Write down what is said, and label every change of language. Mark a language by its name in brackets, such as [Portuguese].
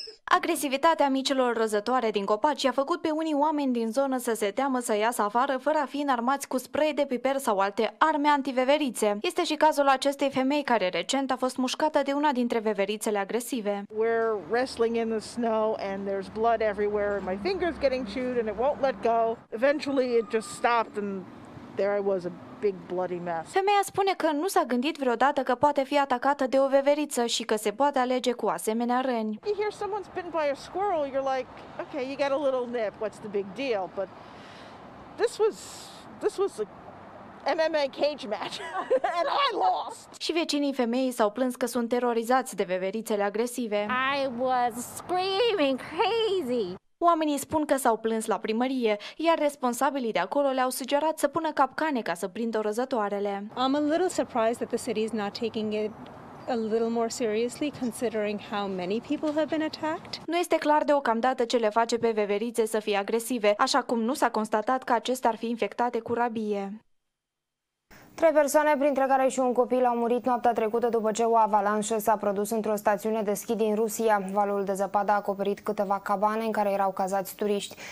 [Romanian] Agresivitatea micilor răzătoare din copaci a făcut pe unii oameni din zonă să se teamă să iasă afară fără a fi înarmați cu spray de piper sau alte arme antiveverițe. Este și cazul acestei femei care recent a fost mușcată de una dintre veverițele agresive. [English] We're wrestling in the snow and there's blood everywhere and my finger's getting chewed and it won't let go. Eventually it just stopped and there I was. Big bloody mess. [Romanian] Femeia spune că nu s-a gândit vreodată că poate fi atacată de o veveriță și că se poate alege cu asemenea răni. [English] You hear someone's bitten by a squirrel, you're like, okay, you got a little nip, what's the big deal? But this was a MMA cage match and I lost. [Romanian] Și vecinii femeii s-au plâns că sunt terorizați de veverițele agresive. [English] I was screaming crazy. [Romanian] Oamenii spun că s-au plâns la primărie, iar responsabilii de acolo le-au sugerat să pună capcane ca să prindă răzătoarele. [English] I'm a little surprised that the city is not taking it a little more seriously considering how many people have been attacked. [Romanian] Nu este clar deocamdată ce le face pe veverițe să fie agresive, așa cum nu s-a constatat că acestea ar fi infectate cu rabie. 3 persoane, printre care și un copil, au murit noaptea trecută după ce o avalanșă s-a produs într-o stațiune de schi din Rusia. Valul de zăpadă a acoperit câteva cabane în care erau cazați turiști.